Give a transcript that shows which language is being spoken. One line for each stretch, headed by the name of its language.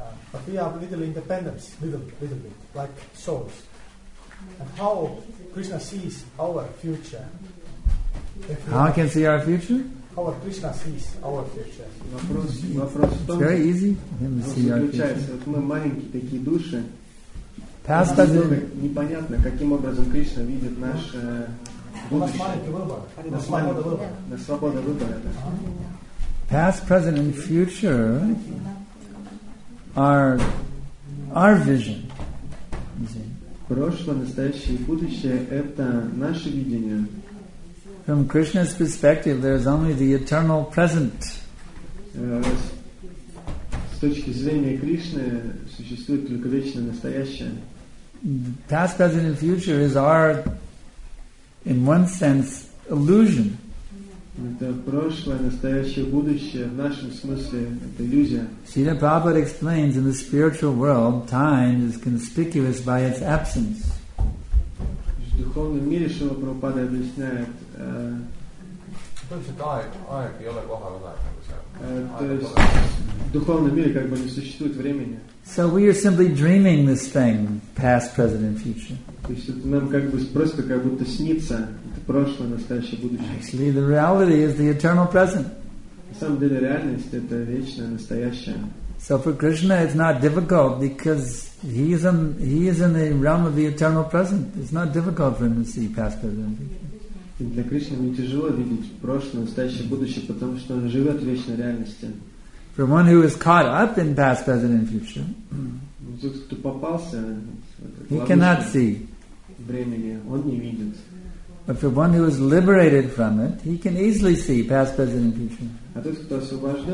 English: But we have little independence, little bit, like souls. And how Krishna sees our future? How can see our future? How Krishna sees our future? It's very easy for him to see our future.
Russian: Мы маленькие такие души.
English: Past
Russian: непонятно, каким образом Кришна видит наш будущее. У нас маленький выбор. На свободу выбора.
English: past, present, and future are our vision.
Russian: Прошлое, настоящее и будущее — это наше видение.
English: From Krishna's perspective, there is only the eternal present.
Russian: С точки зрения Кришны существует только вечное настоящее.
English: The past, present, and future is our, in one sense, illusion.
Russian: Это прошлое, настоящее, будущее в нашем смысле — это иллюзия.
English: Srila Prabhupada explains, in the spiritual world, time is conspicuous by its absence.
Russian: В духовном мире Srila Prabhupada объясняет, в духовном мире как бы не существует времени.
English: So we are simply dreaming this thing, past, present, and future.
Russian: То есть это нам как бы просто как будто снится. Прошлое, настоящее, будущее.
English: Actually, the reality is the eternal present.
Russian: На самом деле, реальность — это вечное, настоящее.
English: So for Krishna, it's not difficult because he is in the realm of the eternal present. It's not difficult for him to see past, present, future.
Russian: Для Кришны не тяжело видеть прошлое, настоящее, будущее, потому что он живет в вечной реальности.
English: For one who is caught up in past, present, and future,
Russian: кто попался,
English: he cannot see.
Russian: Времени он не видит.
English: But for one who is liberated from it, he can easily see past, present, and future.